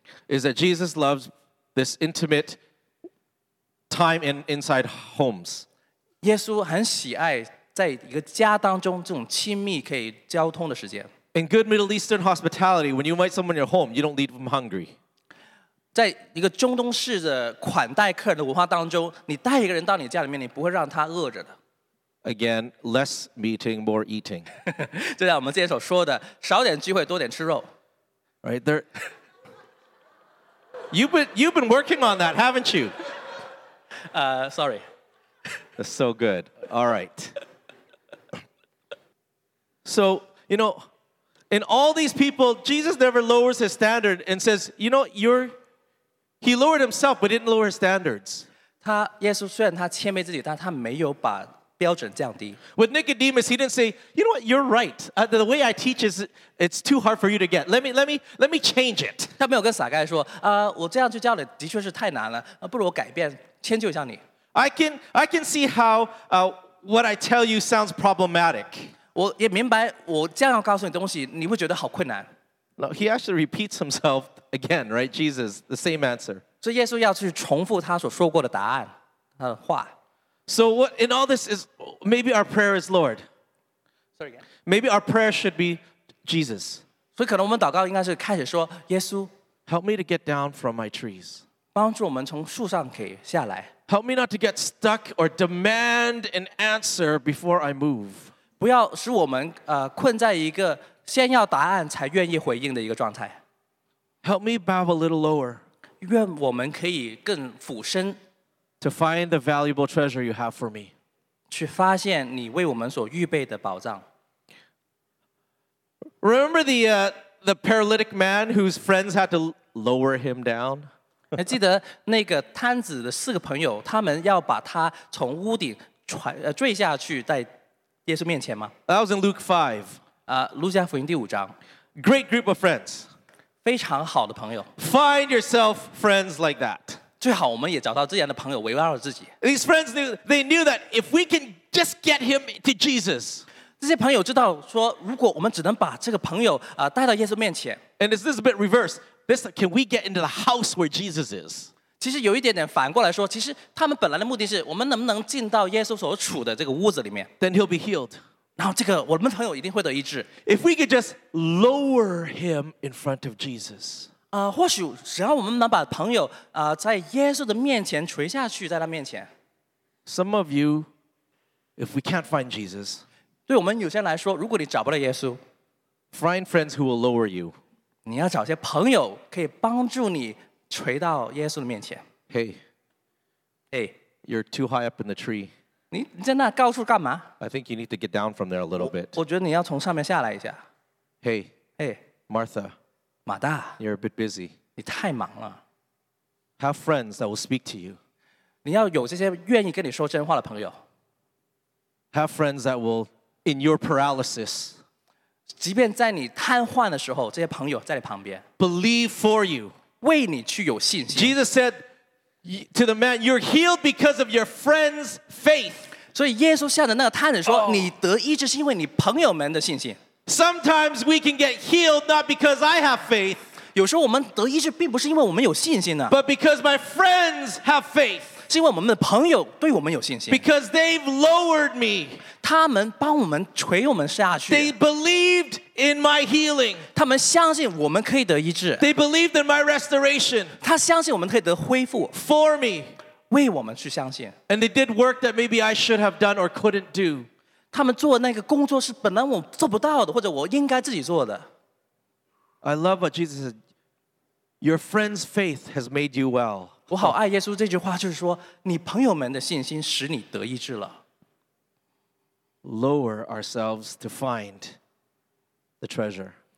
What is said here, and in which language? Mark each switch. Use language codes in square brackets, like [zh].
[en] is that Jesus loves this intimate time inside homes. [zh] 耶稣很喜爱在一个家当中这种亲密可以交通的时间。 [en] In good Middle Eastern hospitality, when you invite someone to your home, you don't leave them hungry. [zh] 在一个中东式的款待客人的文化当中，你带一个人到你家里面，你不会让他饿着的。 [en] Again, less meeting, more eating. [zh] 就像我们之前所说的，少点聚会，多点吃肉。 [en] Right there. You've been working on that, haven't you? Sorry. That's so good. All right. So, you know, in all these people, Jesus never lowers his standard and says, you know, He lowered himself, but didn't lower his standards. [zh] 他耶稣虽然他谦卑自己，但他没有把标准降低。 [en] With Nicodemus, he didn't say, "You know what? You're right. The way I teach is it's too hard for you to get. Let me change it." [zh] 他没有跟撒该说，我这样去教你的确是太难了，不如我改变，迁就一下你。 [en] I can see how what I tell you sounds problematic. [zh] 我也明白，我这样要告诉你东西，你会觉得好困难。 [en] No, he actually repeats himself again, right? Jesus, the same answer. [zh] 所以耶稣要去重复他所说过的答案，他的话。 [en] So what in all this is, maybe our prayer is Lord. Sorry again. Maybe our prayer should be Jesus. [zh] 所以可能我们祷告应该是开始说耶稣。 [en] Help me to get down from my trees. [zh] 帮助我们从树上可以下来。 [en] Help me not to get stuck or demand an answer before I move. [zh] 不要使我们困在一个先要答案才愿意回应的一个状态。 [en] Help me bow a little lower. [zh] 愿我们可以更俯身。 [en] To find the valuable treasure you have for me. [zh] 去发现你为我们所预备的宝藏。 [en] Remember the paralytic man whose friends had to lower him down? [zh] 还记得那个瘫子的四个朋友，他们要把他从屋顶坠下去在耶稣面前吗？ [en] That was in Luke 5. [zh] 路加福音第五章 [en] Great group of friends. [zh] 非常好的朋友 [en] Find yourself friends like that. [zh] 最好我们也找到这样的朋友围绕着自己 [en] These friends knew, they knew that if we can just get him to Jesus. [zh] 这些朋友知道说如果我们只能把这个朋友带到耶稣面前 [en] And this is a bit reverse. This, can we get into the house where Jesus is? [zh] 其实有一点点反过来说其实他们本来的目的是我们能不能进到耶稣所处的这个屋子里面 [en] Then he'll be healed. [zh] 然后这个我们朋友一定会得医治。 [en] If we could just lower him in front of Jesus. [zh] 或许只要我们能把朋友在耶稣的面前垂下去，在他面前。 [en] Some of you, if we can't find Jesus. [zh] 对我们有些人来说，如果你找不到耶稣。 [en] Find friends who will lower you. [zh] 你要找些朋友可以帮助你垂到耶稣的面前。 [en] Hey. Hey. You're too high up in the tree. [zh] 你在那高处干嘛 [en] ？I think you need to get down from there a little bit. [zh] 我觉得你要从上面下来一下。 [en] Hey, hey, Martha, [zh] 马大 [en] ，You're a bit busy. [zh] 你太忙了。 [en] Have friends that will speak to you. [zh] 你要有这些愿意跟你说真话的朋友。 [en] Have friends that will in your paralysis. [zh] 即便在你瘫痪的时候，这些朋友在你旁边。 [en] Believe for you. [zh] 为你去有信心。 [en] Jesus said to the man, "You're healed because of your friend's faith." [zh] 所以耶稣向着那个瘫子说，你得医治是因为你朋友们的信心。 [en] Sometimes we can get healed not because I have faith. [zh] 有时候我们得医治并不是因为我们有信心呢。 [en] But because my friends have faith. [zh] 是因为我们的朋友对我们有信心。 [en] Because they've lowered me. [zh] 他们帮我们垂我们下去。 [en] They believed in my healing. [zh] 他们相信我们可以得医治。 [en] They believed in my restoration. [zh] 他相信我们可以得恢复。 [en] For me. [zh] 为我们去相信。 [en] And they did work that maybe I should have done or couldn't do. [zh] 他们做那个工作是本来我做不到的，或者我应该自己做的。 [en] I love what Jesus said. Your friend's faith has made you well. [zh] 我好爱耶稣这句话，就是说你朋友们的信心使你得医治了。 [en] Lower ourselves to find the treasure.